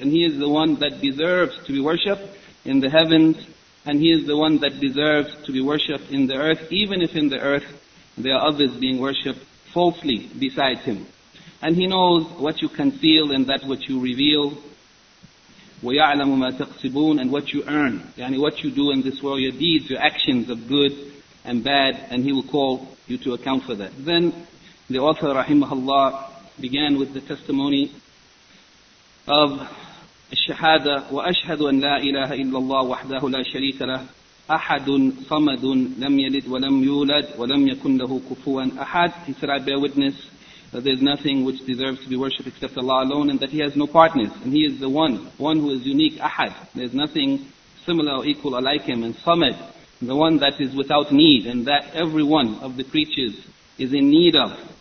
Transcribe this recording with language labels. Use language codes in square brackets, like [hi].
[en] And He is the one that deserves to be worshipped in the heavens, and He is the one that deserves to be worshipped in the earth, even if in the earth there are others being worshipped falsely besides Him. And He knows what you conceal and that which you reveal. [ar] وَيَعْلَمُ مَا تَقْسِبُونَ. [en] And what you earn, yani what you do in this world, your deeds, your actions of good and bad, and He will call you to account for that. Then the author, rahimahullah, began with the testimony of [ar] الشهادة وأشهد أن لا إله إلا الله وحده لا شريك له أحد صمد لم يلد ولم يولد ولم يكن له كفوا أحد. [en] He said, I bear witness that there is nothing which deserves to be worshipped except Allah alone, and that He has no partners, and He is the one who is unique, أحد. There is nothing similar or equal or like Him. And صمد, the one that is without need, and that every one of the creatures is in need of.